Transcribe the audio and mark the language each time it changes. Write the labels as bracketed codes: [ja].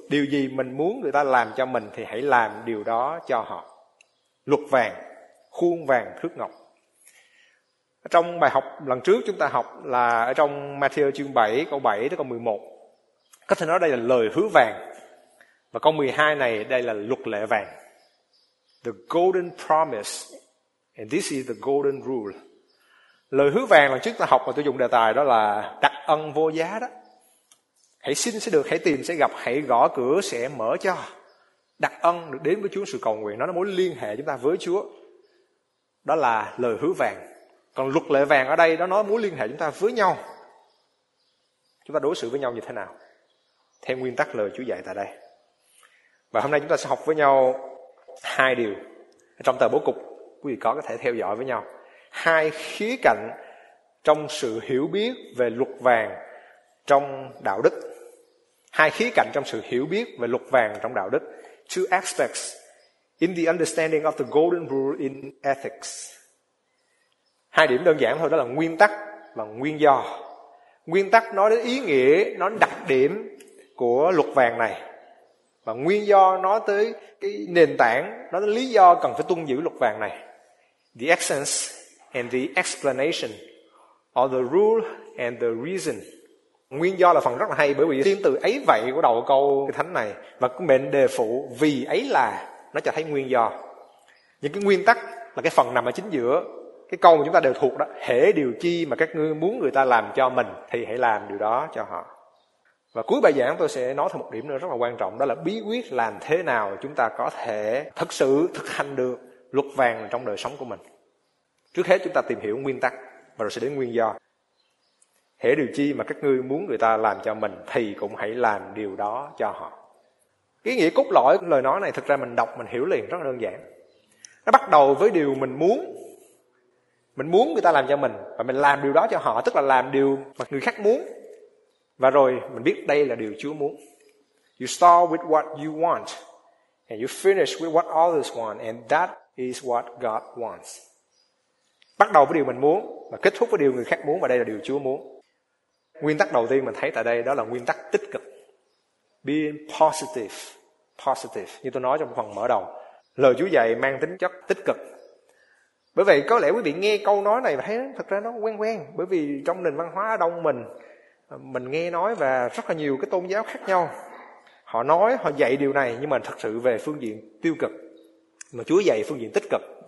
[vi] Điều gì mình muốn người ta làm cho mình thì hãy làm điều đó cho họ. Luật vàng, khuôn vàng thước ngọc. Trong bài học lần trước chúng ta học là ở trong Matthew chương 7 câu 7 tới câu 11. Có thể nói đây là lời hứa vàng. Và câu 12 này đây là luật lệ vàng. [en] The golden promise and this is the golden rule. [vi] Lời hứa vàng lần trước ta học mà tôi dùng đề tài đó là đặc ân vô giá đó. Hãy xin sẽ được, hãy tìm sẽ gặp, hãy gõ cửa sẽ mở cho. Đặc ân được đến với Chúa, sự cầu nguyện đó là mối liên hệ chúng ta với Chúa. Đó là lời hứa vàng. Còn luật lệ vàng ở đây đó nói mối liên hệ chúng ta với nhau. Chúng ta đối xử với nhau như thế nào? Theo nguyên tắc lời Chúa dạy tại đây. Và hôm nay chúng ta sẽ học với nhau hai điều. Trong tờ bố cục quý vị có thể theo dõi với nhau. Hai khía cạnh trong sự hiểu biết về luật vàng trong đạo đức. Hai khía cạnh trong sự hiểu biết về luật vàng trong đạo đức. [en] Two aspects in the understanding of the golden rule in ethics. [vi] Hai điểm đơn giản thôi, đó là nguyên tắc và nguyên do. Nguyên tắc nói đến ý nghĩa, nói đến đặc điểm của luật vàng này. Và nguyên do nói tới cái nền tảng, nói đến lý do cần phải tuân giữ luật vàng này. [en] The essence and the explanation or the rule and the reason. [vi] Nguyên do là phần rất là hay, bởi vì tiếng từ ấy vậy của đầu câu thánh này và mệnh đề phụ vì ấy là, nó cho thấy nguyên do. Những cái nguyên tắc là cái phần nằm ở chính giữa. Cái câu mà chúng ta đều thuộc đó, hễ điều chi mà các ngươi muốn người ta làm cho mình thì hãy làm điều đó cho họ. Và cuối bài giảng tôi sẽ nói thêm một điểm nữa rất là quan trọng, đó là bí quyết làm thế nào chúng ta có thể thực sự thực hành được luật vàng trong đời sống của mình. Trước hết chúng ta tìm hiểu nguyên tắc và rồi sẽ đến nguyên do. Hễ điều chi mà các ngươi muốn người ta làm cho mình thì cũng hãy làm điều đó cho họ. Ý nghĩa cốt lõi của lời nói này thực ra mình đọc mình hiểu liền rất là đơn giản. Nó bắt đầu với điều mình muốn. Mình muốn người ta làm cho mình và mình làm điều đó cho họ, tức là làm điều mà người khác muốn. Và rồi mình biết đây là điều Chúa muốn. [en] You start with what you want and you finish with what others want, and that is what God wants. [vi] Bắt đầu với điều mình muốn và kết thúc với điều người khác muốn, và đây là điều Chúa muốn. Nguyên tắc đầu tiên mình thấy tại đây đó là nguyên tắc tích cực. [en] Being positive. Positive. [vi] Như tôi nói trong phần mở đầu, lời Chúa dạy mang tính chất tích cực. Bởi vậy có lẽ quý vị nghe câu nói này và thấy thật ra nó quen quen, bởi vì trong nền văn hóa đông mình nghe nói và rất là nhiều cái tôn giáo khác nhau, họ nói, họ dạy điều này, nhưng mà thật sự về phương diện tiêu cực, mà Chúa dạy phương diện tích cực.